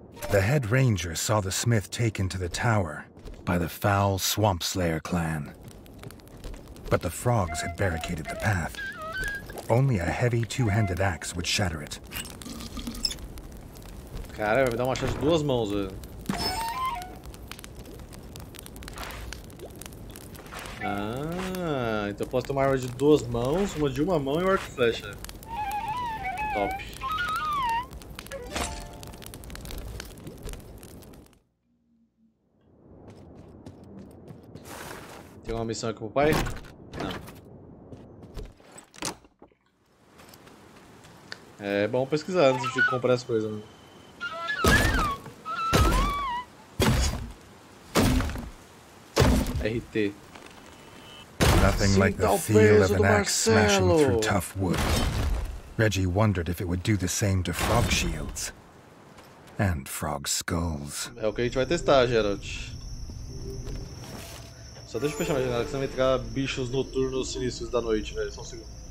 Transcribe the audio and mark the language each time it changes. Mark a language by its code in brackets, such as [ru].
[en] The head ranger saw the smith taken to the tower by the foul swamp slayer clan. But the frogs had barricaded the path. Only a heavy two-handed axe would shatter it. [pt] Cara, vai me dar uma chance de duas mãos, velho. Ah, então posso ter uma arma de duas mãos, uma de uma mão e um arco e flecha. Top. Tem uma missão aqui pro pai? Não. É bom pesquisar antes de comprar as coisas, né? RT. [en] Nothing like the feel of an axe smashing through tough wood. Reggie wondered if it would do the same to frog shields and frog skulls. [pt] É o que a gente vai testar, Geralt. Só deixa eu fechar a janela, que senão vai entrar bichos noturnos sinistros da noite, velho. Só um segundo.